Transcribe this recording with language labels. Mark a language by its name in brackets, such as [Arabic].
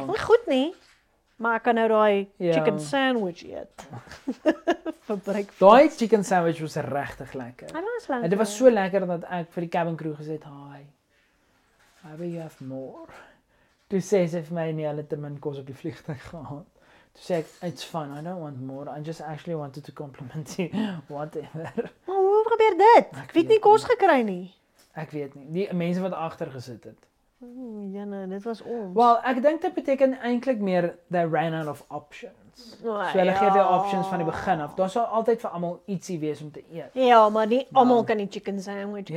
[Afrikaans] Nie goed nie. Maar ek kan nou daai chicken sandwich eet. Daai chicken sandwich was regtig lekker. Hy was lekker. En dit was so lekker dat ek vir die cabin crew gesê het, [English] "Hi. Maybe you have more." [Afrikaans] Toe sê sy vir my nie, hulle het te min kos op die vliegtuig gehad. Toe sê ek, [English] "It's fine. I don't want more. I just actually wanted to compliment you. Whatever." [Afrikaans] Maar hoe gebeur dit? Ek weet nie kos gekry nie. Ek weet nie. Die mense wat agter gesit het. Ja, nee, dit was ons. Well, ek dink dit beteken eintlik meer [English] they ran out of options. Oh, [Afrikaans] so hulle gee jou options van die begin af. Daar sal altyd vir almal ietsie wees om te eet. Ja, maar nie almal kan die chicken sandwich kry.